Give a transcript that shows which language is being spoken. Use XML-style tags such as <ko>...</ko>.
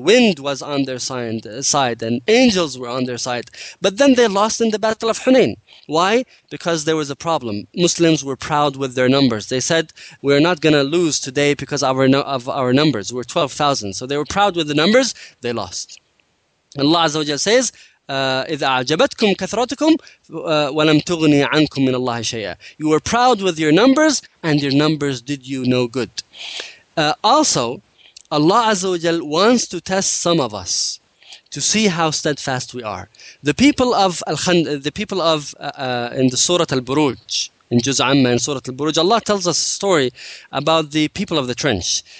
<en>Wind was on their side, and angels were on their side. But then they lost in the Battle of Hunain. Why? Because there was a problem. Muslims were proud with their numbers. They said, we're not going to lose today because of our numbers. We're 12,000. So they were proud with the numbers. They lost. Allah Azza wa Jal says,</en> <ar>إِذَا أَعْجَبَتْكُمْ كَثْرَتُكُمْ وَلَمْ تُغْنِي عَنْكُمْ مِنَ اللَّهِ شَيْئًا.</ar> <en>You were proud with your numbers, and your numbers did you no good. Also, Allah Azza wa Jal wants to test some of us to see how steadfast we are. The people of in the Surah Al-Buruj, in Juz Amma and Surah Al-Buruj, Allah tells us a story about the people of the trench.</en>